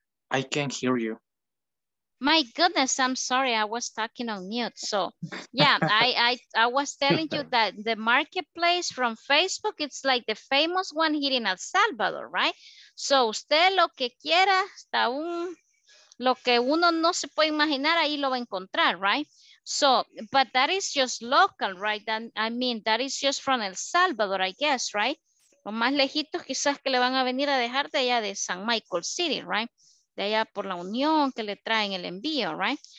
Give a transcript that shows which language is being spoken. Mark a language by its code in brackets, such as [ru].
[en] I can't hear you. My goodness, I'm sorry, I was talking on mute. So yeah, I was telling you that the marketplace from Facebook, it's like the famous one here in El Salvador, right? [es] So usted lo que quiera, hasta un, lo que uno no se puede imaginar, ahí lo va a encontrar, right? [en] So, but that is just local, right? That, I mean, that is just from El Salvador, I guess, right? [es] Lo más lejitos quizás que le van a venir a dejar de allá de San Michael City, right? De allá por la Unión que le traen el envío, right?